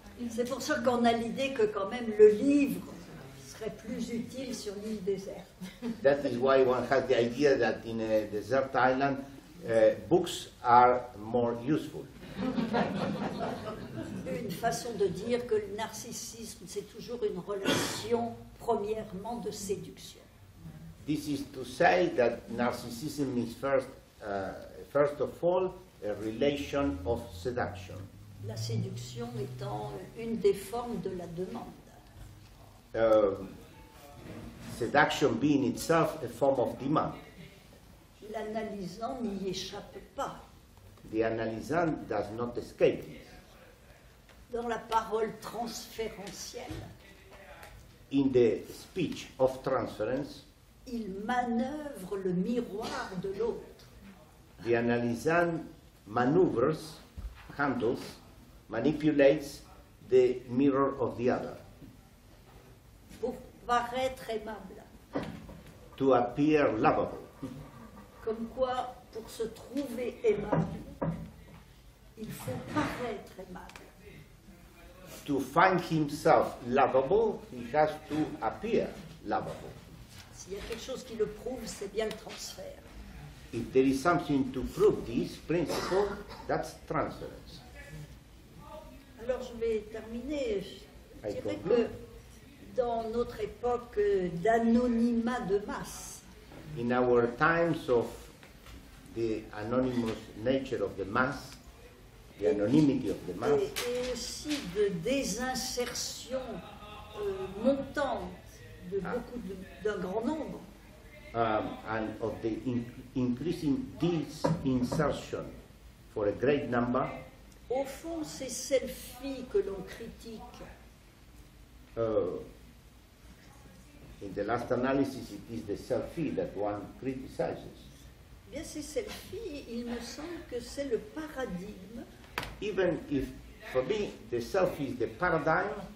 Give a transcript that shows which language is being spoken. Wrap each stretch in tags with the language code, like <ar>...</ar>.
<fr>C'est pour ça qu'on a l'idée que quand même le livre serait plus utile sur l'île déserte.</fr> <en>That is why one has the idea that in a desert island, books are more useful.</en> <fr>Une façon de dire que le narcissisme, c'est toujours une relation premièrement de séduction.</fr> <en>This is to say that narcissism is first of all a relation of seduction.</en> <fr>La séduction étant une des formes de la demande.</fr> <en>Seduction being itself a form of demand.</en> <fr>L'analysant n'y échappe pas.</fr> <en>The analysant does not escape.</en> <fr>Dans la parole transférentielle,</fr> <en>in the speech of transference,</en> <fr>il manœuvre le miroir de l'autre.</fr> <en>The analysant maneuvers, handles, manipulates the mirror of the other.</en> <fr>Pour paraître aimable.</fr> <en>To appear lovable.</en> <fr>Comme quoi, pour se trouver aimable, il faut paraître aimable.</fr> <en>To find himself lovable, he has to appear lovable.</en> <fr>S'il y a quelque chose qui le prouve, c'est bien le transfert.</fr> <en>If there is something to prove this principle, that's transference.</en> <fr>Alors je vais terminer. Je dirais que dans notre époque d'anonymat de masse,</fr> <en>in our times of the anonymous nature of the mass, the anonymity of the mass,</en> <fr>et aussi de désinsertion montante de beaucoup d'un grand nombre,</fr> <en>and of the increasing disinsertion for a great number,</en> <fr>au fond ces selfies que l'on critique,</fr> <en>in the last analysis it is the selfie that one criticizes.</en> <fr>Bien ces selfies, il me semble que c'est le paradigme.</fr> <en>Even if, for me, the selfie is the paradigm.</en>